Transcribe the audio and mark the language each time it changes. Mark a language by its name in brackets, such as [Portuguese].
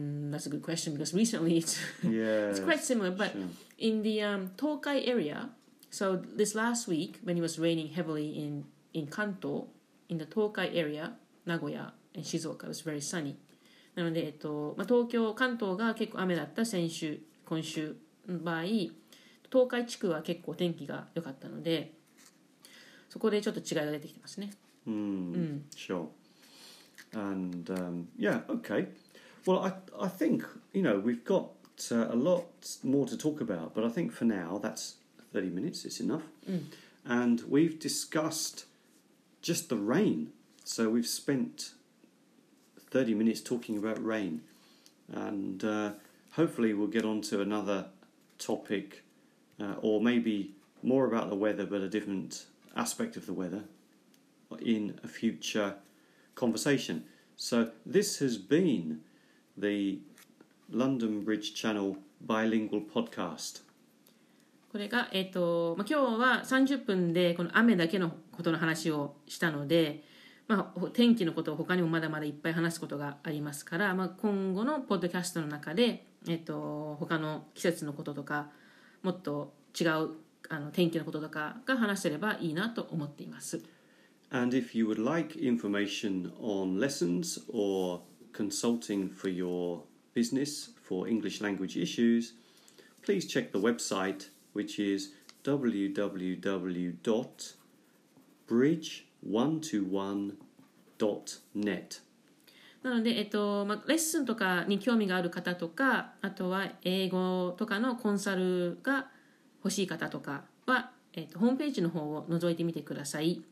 [English] That's a good question because recently it's quite similar. But in the Tokai area, so this last week when it was raining heavily in Kanto, in the Tokai area, Nagoya and Shizuoka, it was very sunny. [Japanese] なので、まあ、東京、関東が結構雨だった先週、今週の場合、東海地区は結構天気が良かったので、そこでちょっと違いが出てきてますね。 [English] Sure. And, yeah, okay. Well, I think, you know, we've got a lot more to talk about, but I think for now, that's 30 minutes, it's enough. And we've discussed just the rain. So we've spent 30 minutes talking about rain. And hopefully we'll get on to another topic... or maybe more about the weather, but a different aspect of the weather in a future conversation. So this has been the London Bridge Channel Bilingual Podcast. [Japanese] これが、まあ、今日は30分でこの雨だけのことの話をしたので、まあ、天気のことを他にもまだまだいっぱい話すことがありますから、まあ、今後のポッドキャストの中で、他の季節のこととかもっと違うあの天気のこととかが話せればいいなと思っています。 [English] And if you would like information on lessons or consulting for your business for English language issues, please check the website, which is www.bridge121.net。 [Japanese] なので、まあ、レッスンとかに興味がある方とか、あとは英語とかのコンサルが欲しい方とかは、ホームページの方を覗いてみてください。